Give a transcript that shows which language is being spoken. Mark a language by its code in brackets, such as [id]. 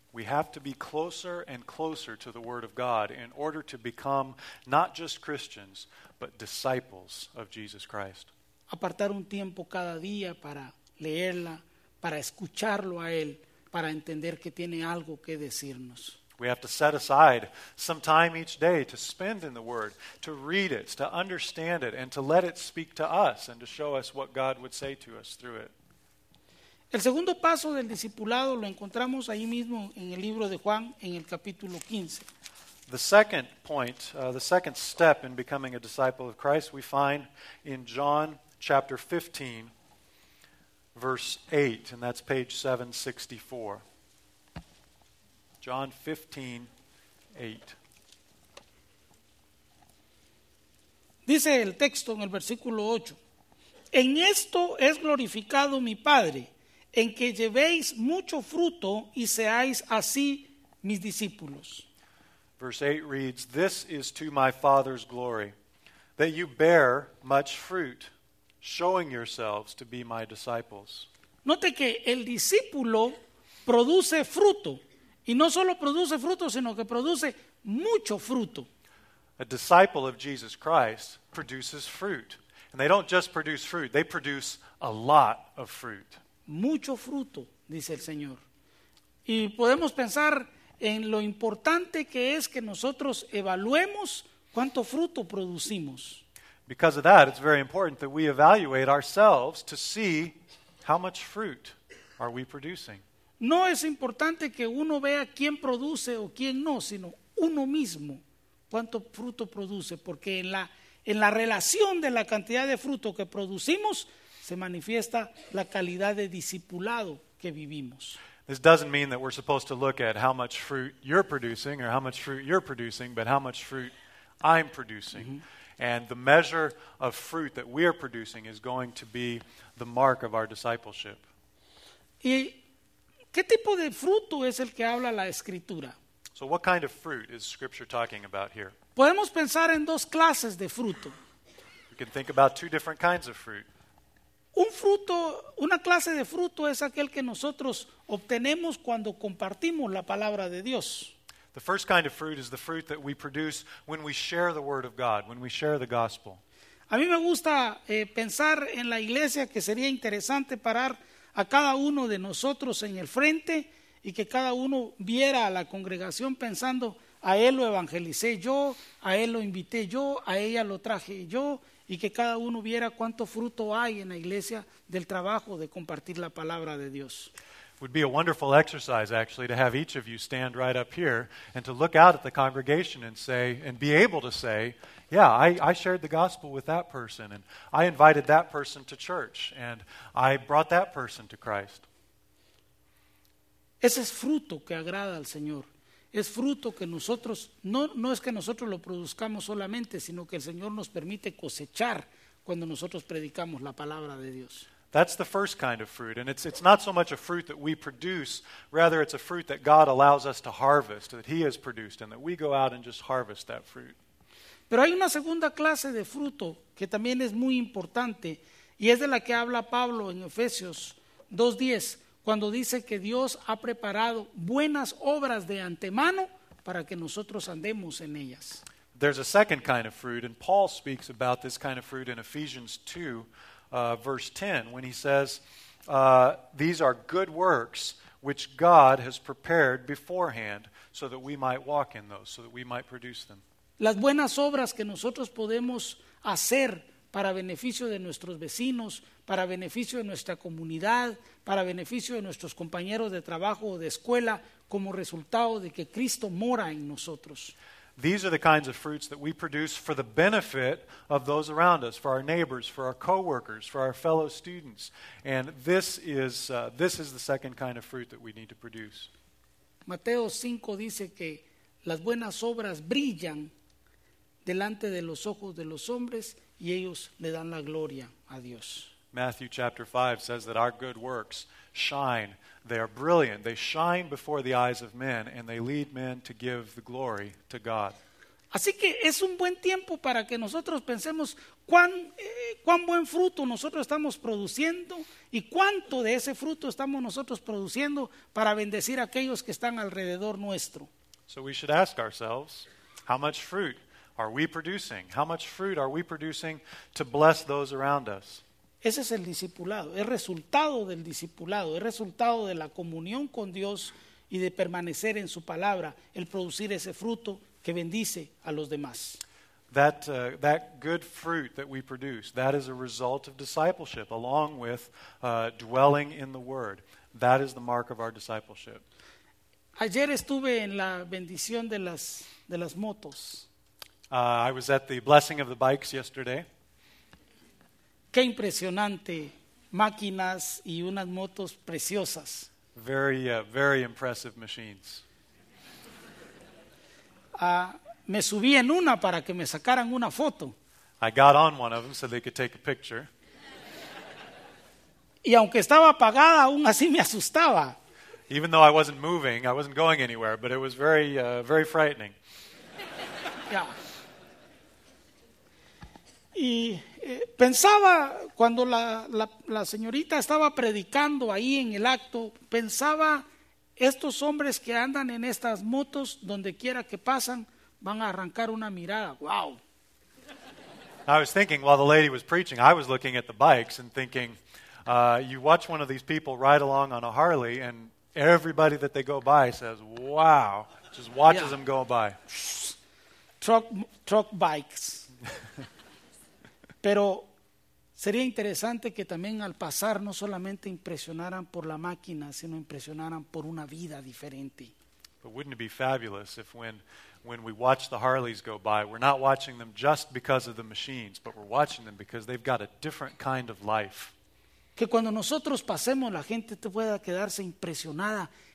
[en] We have to be closer and closer to the Word of God in order to become not just Christians, but disciples of Jesus Christ. [es] Apartar un tiempo cada día para leerla, para escucharlo a él, para entender que tiene algo que decirnos. [en] We have to set aside some time each day to spend in the Word, to read it, to understand it, and to let it speak to us and to show us what God would say to us through it. [es] El segundo paso del discipulado lo encontramos ahí mismo en el libro de Juan, en el capítulo 15. [en] The second point, the second step in becoming a disciple of Christ, we find in John chapter 15, verse 8, and that's page 764. John 15, 8. [es] Dice el texto en el versículo 8. En esto es glorificado mi Padre, en que llevéis mucho fruto y seáis así mis discípulos. [en] Verse 8 reads, "This is to my Father's glory, that you bear much fruit, showing yourselves to be my disciples." [es] Note que el discípulo produce fruto, y no solo produce fruto, sino que produce mucho fruto. [en] A disciple of Jesus Christ produces fruit. And they don't just produce fruit, they produce a lot of fruit. [es] Mucho fruto, dice el Señor. Y podemos pensar en lo importante que es que nosotros evaluemos cuánto fruto producimos. [en] Because of that, it's very important that we evaluate ourselves to see how much fruit are we producing. [es] No es importante que uno vea quién produce o quién no, sino uno mismo cuánto fruto produce, porque en la relación de la cantidad de fruto que producimos se manifiesta la calidad de discipulado que vivimos. [en] This doesn't mean that we're supposed to look at how much fruit you're producing or how much fruit you're producing, but how much fruit I'm producing. Mm-hmm. And the measure of fruit that we are producing is going to be the mark of our discipleship. [es] ¿Y qué tipo de fruto es el que habla la Escritura? [en] So what kind of fruit is Scripture talking about here? [es] Podemos pensar en dos clases de fruto. [en] We can think about two different kinds of fruit. [es] Una clase de fruto es aquel que nosotros obtenemos cuando compartimos la palabra de Dios. [en] The first kind of fruit is the fruit that we produce when we share the word of God, when we share the gospel. [es] A mí me gusta pensar en la iglesia que sería interesante parar a cada uno de nosotros en el frente y que cada uno viera a la congregación pensando, a él lo evangelicé yo, a él lo invité yo, a ella lo traje yo. Y que cada uno viera cuánto fruto hay en la iglesia del trabajo de compartir la palabra de Dios. [en] Would be a wonderful exercise actually to have each of you stand right up here and to look out at the congregation and say and be able to say, yeah, I shared the gospel with that person and I invited that person to church and I brought that person to Christ. [es] Ese es fruto que agrada al Señor. Es fruto que nosotros, no es que nosotros lo produzcamos solamente, sino que el Señor nos permite cosechar cuando nosotros predicamos la palabra de Dios. [en] That's the first kind of fruit, and it's not so much a fruit that we produce, rather it's a fruit that God allows us to harvest, that He has produced, and that we go out and just harvest that fruit. [es] Pero hay una segunda clase de fruto que también es muy importante, y es de la que habla Pablo en Efesios 2:10. Cuando dice que Dios ha preparado buenas obras de antemano para que nosotros andemos en ellas. [en] There's a second kind of fruit, and Paul speaks about this kind of fruit in Ephesians 2, verse 10, when he says, these are good works which God has prepared beforehand so that we might walk in those, so that we might produce them. [es] Las buenas obras que nosotros podemos hacer para beneficio de nuestros vecinos, para beneficio de nuestra comunidad, para beneficio de nuestros compañeros de trabajo o de escuela, como resultado de que Cristo mora en nosotros. [en] These are the kinds of fruits that we produce for the benefit of those around us, for our neighbors, for our coworkers, for our fellow students. And this is the second kind of fruit that we need to produce. [es] Mateo 5 dice que las buenas obras brillan delante de los ojos de los hombres y ellos le dan la gloria a Dios. [en] Matthew chapter 5 says that our good works shine. They are brilliant. They shine before the eyes of men and they lead men to give the glory to God. [es] Así que es un buen tiempo para que nosotros pensemos cuán buen fruto nosotros estamos produciendo y cuánto de ese fruto estamos nosotros produciendo para bendecir a aquellos que están alrededor nuestro. [en] So we should ask ourselves, how much fruit are we producing? How much fruit are we producing to bless those around us? [es] Ese es el discipulado, es resultado del discipulado, es resultado de la comunión con Dios y de permanecer en su palabra, el producir ese fruto que bendice a los demás. [en] That good fruit that we produce, that is a result of discipleship, along with dwelling in the Word. That is the mark of our discipleship. [es] Ayer estuve en la bendición de las motos. [en] I was at the blessing of the bikes yesterday. [es] Qué impresionante, máquinas y unas motos preciosas. [en] Very impressive machines. [es] Me subí en una para que me sacaran una foto. [en] I got on one of them so they could take a picture. [es] Y aunque estaba apagada, aún así me asustaba. [en] Even though I wasn't moving, I wasn't going anywhere, but it was very frightening. Yeah. [es] Y pensaba cuando la señorita estaba predicando ahí en el acto, pensaba estos hombres que andan en estas motos donde quiera que pasan van a arrancar una mirada. [en] Wow. I was thinking while the lady was preaching, I was looking at the bikes and thinking, you watch one of these people ride along on a Harley and everybody that they go by says, wow, just watches them go by. Truck bikes. [es] Pero sería interesante que también al pasar no solamente impresionaran por la máquina, sino impresionaran por una vida diferente. [en] But wouldn't it be fabulous if when we watch the Harleys go by, we're not watching them just because of the machines, but we're watching them because they've got a different kind of life. [es] Que cuando nosotros pasemos, la gente te pueda quedarse impresionada.